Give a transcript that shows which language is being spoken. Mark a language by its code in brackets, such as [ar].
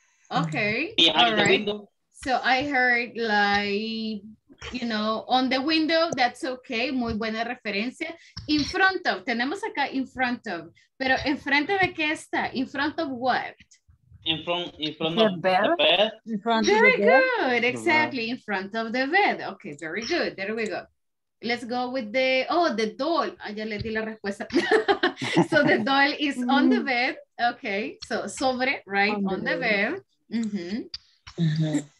[en] Okay. Behind the window. So I heard like you know, on the window, that's okay, [es] muy buena referencia. [en] In front of, [es] tenemos acá in front of, pero ¿en frente de qué está? [en] In front of what? In front of the bed. Very good, exactly, in front of the bed. Okay, very good, there we go. Let's go with the, oh, the doll. [es] Ah, ya le di la respuesta. [en] So the doll is on the bed. Okay, so sobre, right, on the bed. Mm-hmm.